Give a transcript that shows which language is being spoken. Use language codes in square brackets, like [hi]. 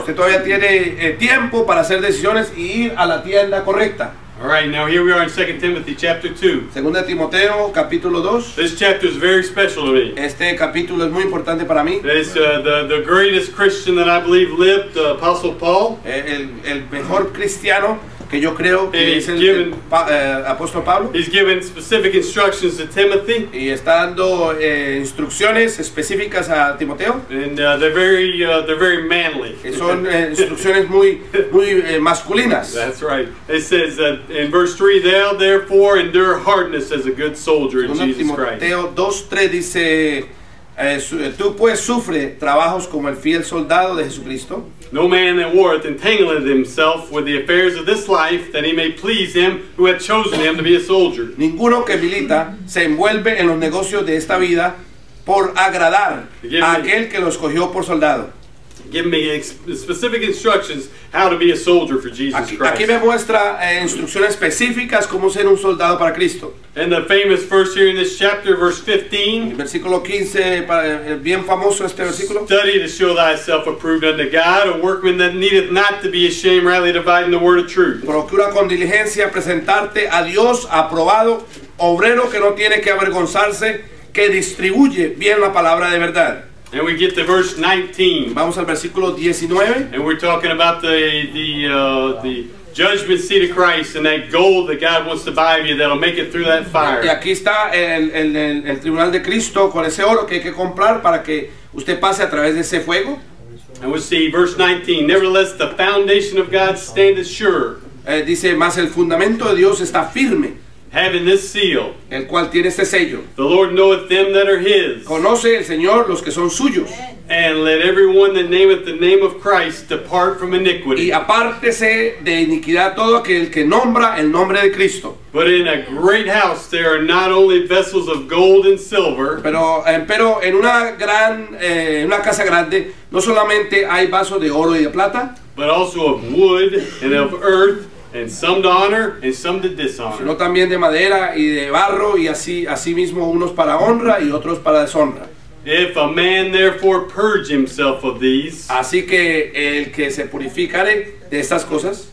[es] Usted todavía tiene tiempo para hacer decisiones y ir a la tienda correcta. [en] All right, now here we are in 2 Timothy chapter 2. [es] Segunda Timoteo, capítulo 2. [en] This chapter is very special to me. [es] Este capítulo es muy importante para mí. [en] It's the greatest Christian that I believe lived, the Apostle Paul. [es] El mejor cristiano que yo creo que es el Apóstol Pablo. [en] He's given specific instructions to Timothy. [es] Y está dando instrucciones específicas a Timoteo. [en] And they're very manly. [es] Son instrucciones muy masculinas. [en] That's right. It says in verse 3, thou therefore endure hardness as a good soldier in Jesus Christ. [es] Timoteo 2:3 dice, tú pues sufre trabajos como el fiel soldado de Jesucristo. [en] No man that warreth entangleth himself with the affairs of this life, that he may please him who hath chosen him to be a soldier. [es] Ninguno que milita se envuelve en los negocios de esta vida por agradar a aquel que lo escogió por soldado. [en] Give me specific instructions how to be a soldier for Jesus Christ. [es] Aquí me muestra instrucciones específicas cómo ser un soldado para Cristo. [en] And the famous verse here in this chapter, verse 15. [es] Versículo 15, bien famoso este versículo. [en] Study to show thyself approved unto God, a workman that needeth not to be ashamed, rightly dividing the word of truth. [es] Procura con diligencia presentarte a Dios aprobado, obrero que no tiene que avergonzarse, que distribuye bien la palabra de verdad. [en] And we get to verse 19. [es] Vamos al versículo 19. [en] And we're talking about the judgment seat of Christ and that gold that God wants to buy of you that'll make it through that fire. [es] Y aquí está el tribunal de Cristo con ese oro que hay que comprar para que usted pase a través de ese fuego. [en] And we see verse 19. Nevertheless, the foundation of God standeth sure. [es] Dice, mas el fundamento de Dios está firme. [en] Having this seal, [es] el cual tiene este sello. [en] The Lord knoweth them that are His. [es] Conoce el Señor los que son suyos. [en] And let everyone that nameth the name of Christ depart from iniquity. [es] Y apártese de iniquidad todo aquel que nombra el nombre de Cristo. [en] But in a great house there are not only vessels of gold and silver. [es] Pero en una gran una casa grande no solamente hay vasos de oro y de plata. [en] But also of wood and of earth. And some to honor, and some to dishonor. [es] Sino también de madera y de barro, y así mismo unos para honra y otros para deshonra. [en] If a man therefore purge himself of these, [es] así que el que se purificare de estas cosas,